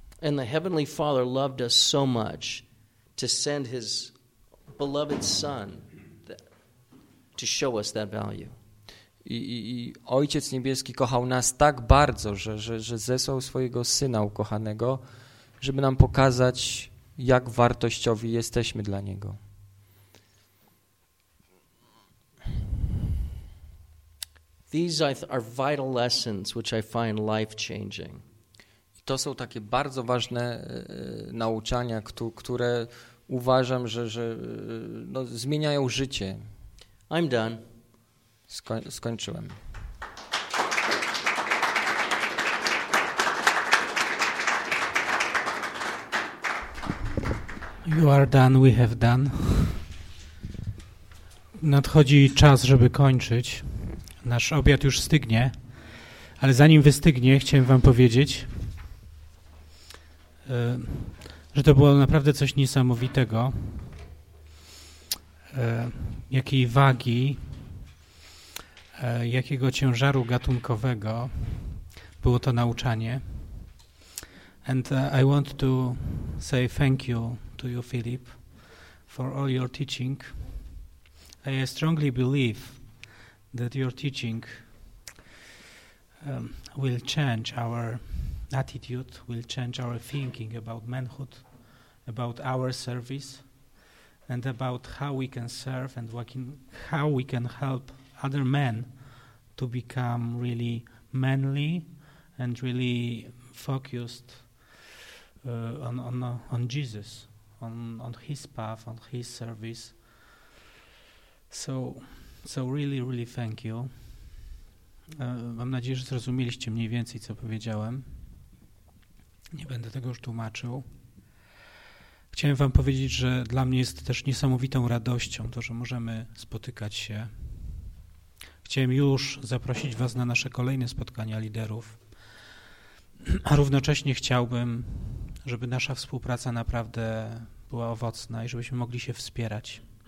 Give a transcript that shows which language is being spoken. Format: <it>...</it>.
<en>And the Heavenly Father loved us so much to send his beloved Son to show us that value.</en> <pl>I Ojciec Niebieski kochał nas tak bardzo, że zesłał swojego Syna ukochanego, żeby nam pokazać, jak wartościowi jesteśmy dla Niego.</pl> <en>These are vital lessons which I find life-changing.</en> <pl>I to są takie bardzo ważne nauczania, które uważam, że zmieniają życie.</pl> <en>I'm done.</en> <pl>Skończyłem.</pl> <en>You are done, we have done.</en> <pl>Nadchodzi czas, żeby kończyć. Nasz obiad już stygnie, ale zanim wystygnie, chciałem wam powiedzieć, że to było naprawdę coś niesamowitego. Jakiej wagi, jakiego ciężaru gatunkowego było to nauczanie.</pl> <en>And I want to say thank you to you, Philip, for all your teaching. I strongly believe that your teaching will change our attitude, will change our thinking about manhood, about our service, and about how we can serve and how we can help other men to become really manly and really focused on Jesus, on his path, on his service. So really, really thank you.</en> <pl>Mam nadzieję, że zrozumieliście mniej więcej, co powiedziałem. Nie będę tego już tłumaczył. Chciałem wam powiedzieć, że dla mnie jest też niesamowitą radością to, że możemy spotykać się. Chciałem już zaprosić was na nasze kolejne spotkania liderów, a równocześnie chciałbym, żeby nasza współpraca naprawdę była owocna i żebyśmy mogli się wspierać.</pl>